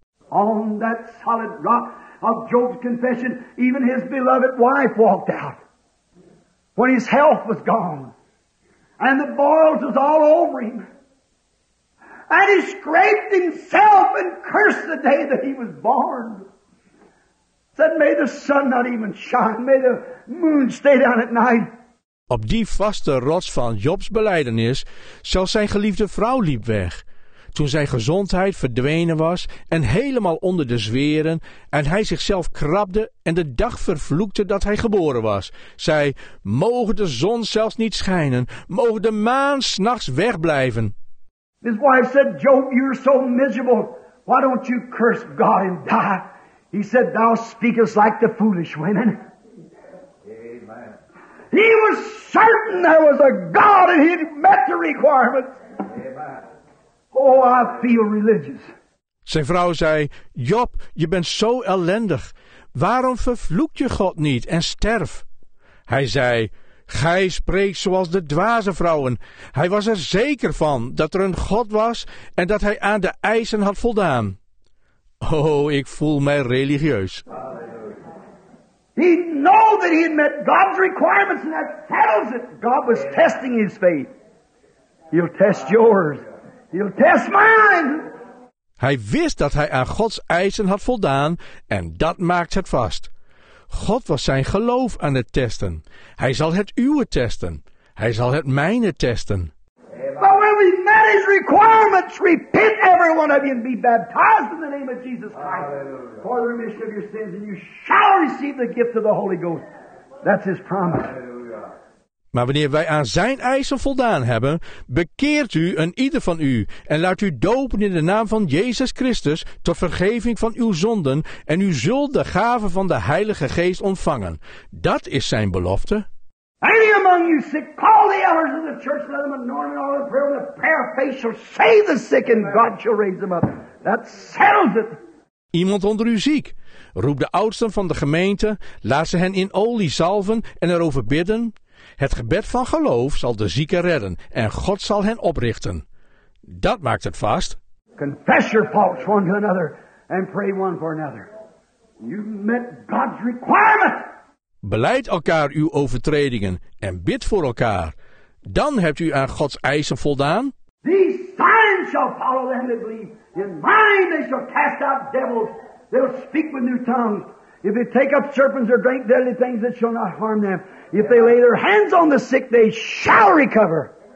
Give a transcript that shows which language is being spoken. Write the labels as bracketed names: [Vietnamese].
[English] On that solid rock of Job's confession, even his beloved wife walked out when his health was gone and the boils was all over him. And he scraped himself and cursed the day that he was born. Said, may the sun not even shine, may the moon stay down at night. [Dutch] Op die vaste rots van Job's belijdenis, zelfs zijn geliefde vrouw liep weg. Toen zijn gezondheid verdwenen was en helemaal onder de zweren en hij zichzelf krabde en de dag vervloekte dat hij geboren was, zei, mogen de zon zelfs niet schijnen, mogen de maan 's nachts wegblijven. [English] His wife said, Job, you're so miserable. Why don't you curse God and die? He said, thou speakest like the foolish women. Amen. He was certain there was a God and he met the requirements. Amen. Oh, I feel religious. [Dutch] Zijn vrouw zei, Job, je bent zo ellendig. Waarom vervloek je God niet en sterf? Hij zei, gij spreekt zoals de dwaze vrouwen. Hij was er zeker van dat er een God was en dat hij aan de eisen had voldaan. Oh, ik voel mij religieus. [English] He knew that he had met God's requirements and that settles it. God was testing his faith. He'll test yours. He'll test mine. [Dutch] Hij wist dat hij aan Gods eisen had voldaan en dat maakt het vast. God was zijn geloof aan het testen. Hij zal het uwe testen. Hij zal het mijne testen. [English] But when we met his requirements, repent every one of you and be baptized in the name of Jesus Christ. Hallelujah. For the remission of your sins and you shall receive the gift of the Holy Ghost. That's his promise. Hallelujah. [Dutch] Maar wanneer wij aan zijn eisen voldaan hebben, bekeert u een ieder van u en laat u dopen in de naam van Jezus Christus tot vergeving van uw zonden en u zult de gave van de Heilige Geest ontvangen. Dat is zijn belofte. [English] Any among you sick, call the elders of the church, let them anoint in all the prayer, and the prayer of faith shall save the sick, and God shall raise them up. That settles it. [Dutch] Iemand onder u ziek, roep de oudsten van de gemeente, laat ze hen in olie zalven en erover bidden. Het gebed van geloof zal de zieken redden, en God zal hen oprichten. Dat maakt het vast. [English] Confess your faults one to another, and pray one for another. You've met God's requirement. [Dutch] Beleid elkaar uw overtredingen en bid voor elkaar. Dan hebt u aan Gods eisen voldaan. [English] These signs shall follow them that believe. In mine they shall cast out devils. They'll speak with new tongues. If they take up serpents or drink deadly things, it shall not harm them. If they lay their hands on the sick, they shall recover.